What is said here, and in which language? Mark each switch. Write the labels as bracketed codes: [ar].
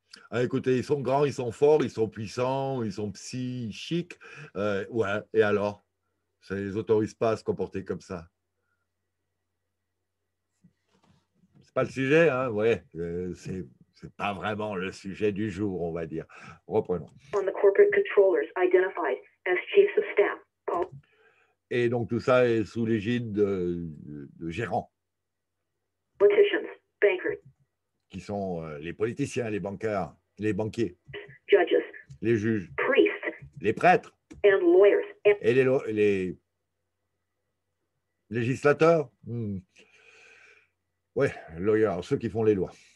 [fr] Ah, écoutez, ils sont grands, ils sont forts, ils sont puissants, ils sont psychiques. Ouais, et alors? Ça ne les autorise pas à se comporter comme ça. C'est pas le sujet, hein? Ouais, c'est pas vraiment le sujet du jour, on va dire. Reprenons. [en] On the corporate controllers identified as chiefs of staff. [fr] Et donc tout ça est sous l'égide de gérants. [en] Politicians, bankers. [fr] Qui sont les politiciens, les bancaires, les banquiers, [en] judges, [fr] les juges, [en] priests, [fr] les prêtres, [en] and lawyers, and [fr] et les législateurs, ouais, lawyers, ceux qui font les lois,